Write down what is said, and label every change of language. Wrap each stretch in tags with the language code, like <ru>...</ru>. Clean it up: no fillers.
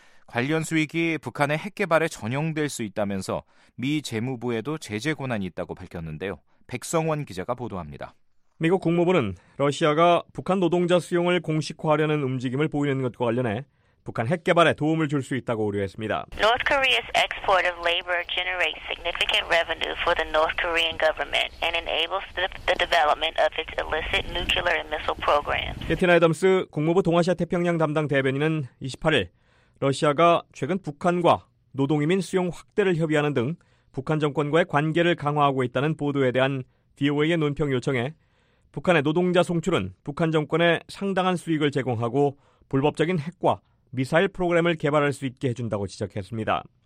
<ko>관련 수익이 북한의 핵 개발에 전용될 수 있다면서 미 재무부에도 제재 권한이 있다고 밝혔는데요. 백성원 기자가 보도합니다. 미국 국무부는 러시아가 북한 노동자 수용을 공식화하려는 움직임을 보이는 것과 관련해 북한 핵 개발에 도움을 줄 수 있다고 우려했습니다.</ko> <en>North Korea's export of labor generates significant revenue for the North Korean government and enables the development of its illicit nuclear and missile programs.</en> <ko>캐티나 애덤스 국무부 동아시아 태평양 담당 대변인은 28일 러시아가 최근 북한과 노동이민 수용 확대를 협의하는 등 북한 정권과의 관계를 강화하고 있다는 보도에 대한 BOA의 논평 요청에 북한의 노동자 송출은 북한 정권에 상당한 수익을 제공하고 불법적인 핵과 미사일 프로그램을 개발할 수 있게 해준다고 지적했습니다.</ko>